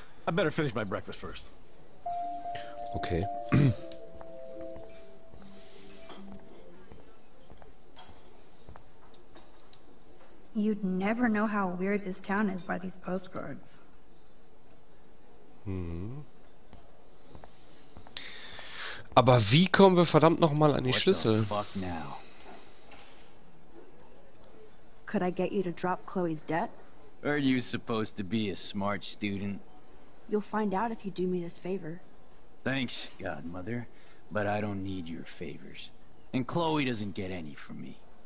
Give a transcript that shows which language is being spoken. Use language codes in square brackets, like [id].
[en] I better finish my breakfast first. Okay. You'd never know how weird this town is by these postcards. Hm. [de] Aber wie kommen wir verdammt nochmal an die Schlüssel? [en] Could I get you to drop Chloe's debt? Aren't you supposed to be a smart student? You'll find out if you do me this favor. Thanks, Godmother, but I don't need your favors. And Chloe doesn't get any from me.